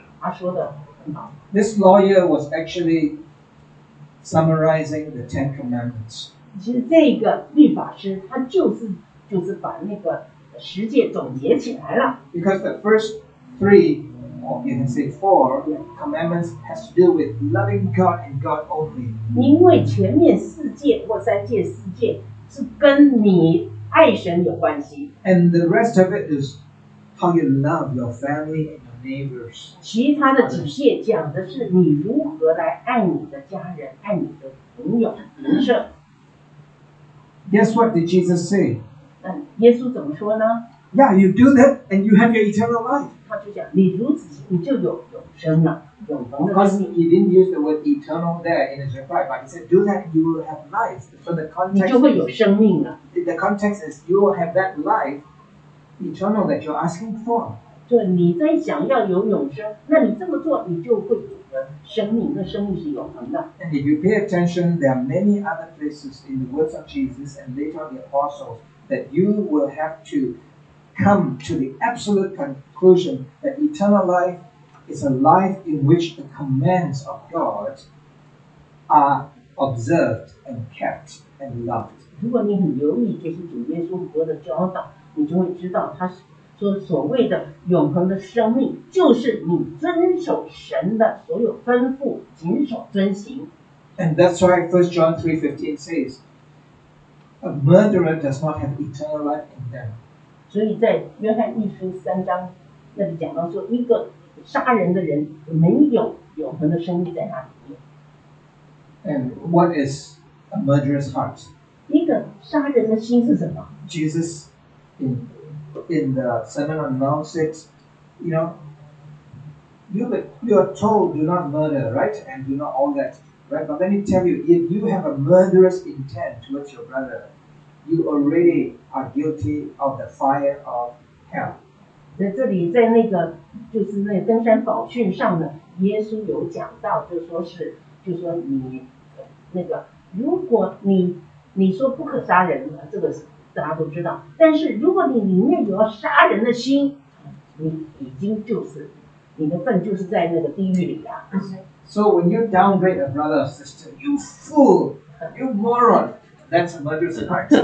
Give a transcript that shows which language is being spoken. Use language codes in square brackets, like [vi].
[zh] 他说的很好。 [en] This lawyer was actually summarizing the Ten Commandments. [zh] 其实这个律法师他就是把那个十诫总结起来了。 [en] Because the first three, or you can say four, commandments has to do with loving God and God only. [zh] 因为前面四戒或三戒是跟你爱神有关系。 [en] And the rest of it is how you love your family and your neighbors. [zh] 其他的几戒讲的是你如何来爱你的家人，爱你的朋友、邻舍。 [en] Guess what did Jesus say? [zh] 耶稣怎么说呢？ [en] Yeah, you do that and you have your eternal life. [zh] 他就讲你如此行，你就有永生了。 [en] Because he didn't use the word eternal there in his reply, but he said, "Do that, you will have life." So the context, [zh] 你就会有生命了。 [en] The context is you will have that life, eternal that you're asking for. [zh] 对，你在想要有永生，那你这么做，你就会有的生命，那生命是永恒的。 [en] And if you pay attention, there are many other places in the words of Jesus and later the apostles that you will have to come to the absolute conclusion that eternal life. It's a life in which the commands of God are observed and kept and loved. [zh] 如果你很留意这些主耶稣很多的教导，你就会知道他说所谓的永恒的生命，就是你遵守神的所有吩咐，谨守遵行。 [en] And that's why 1 John 3:15 says, "A murderer does not have eternal life in them." [zh] 所以在约翰一书三章那里讲到说一个。杀人的人没有永恒的生命在他里面。 [en] And what is a murderous heart? [zh] 一个杀人的心是什么？ [en] Jesus in the Sermon on the Mount says, you know, you are told do not murder, right? And do not all that, right? But let me tell you, if you have a murderous intent towards your brother, you already are guilty of the fire of hell. [zh] 在这里，在那个就是那登山宝训上呢，耶稣有讲到，就说是，就说你那个，如果你说不可杀人，这个是大家都知道。但是如果你里面有要杀人的心，你已经就是你的份就是在那个地狱里啊。 [en] So when you downgrade a brother or sister, you fool, you moron, that's a murderous heart.